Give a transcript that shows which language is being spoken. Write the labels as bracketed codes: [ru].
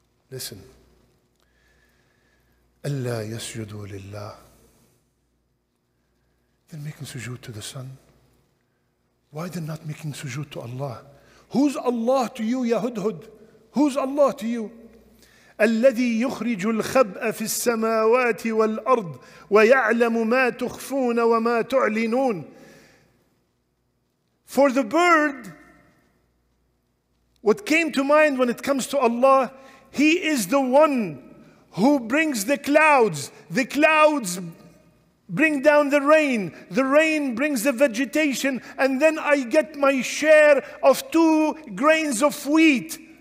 [en] Listen. [ar] أَلَّا يَسْجُدُوا لِلَّهِ. [en] They're making sujood to the sun. Why they're not making sujood to Allah? Who's Allah to you, Ya Hudhud? Who's Allah to you? [ar] الذي يخرج الخبأ في السماوات والأرض ويعلم ما تخفون وما تعلنون. [en] For the bird, what came to mind when it comes to Allah, he is the one who brings the clouds. The clouds bring down the rain. The rain brings the vegetation, and then I get my share of 2 grains of wheat.